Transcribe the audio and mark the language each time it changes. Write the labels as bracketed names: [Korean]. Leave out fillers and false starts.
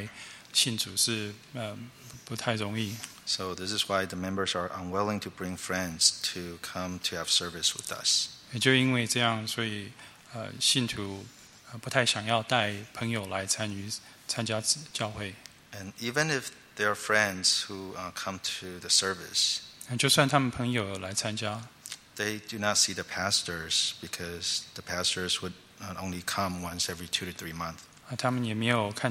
[Chinese] 那因为他们每个礼拜的聚会地点都是不一样，所以要带朋友来信主是不太容易. [English] So this is why the members are unwilling to bring friends to come to have service with us. [Chinese] 也就因为这样，所以信徒不太想要带朋友来参与参加教会. [English] And even if there are friends who come to the service, [Chinese] 就算他们朋友来参加, [English] they do not see the pastors because the pastors would only come once every 2 to 3 months.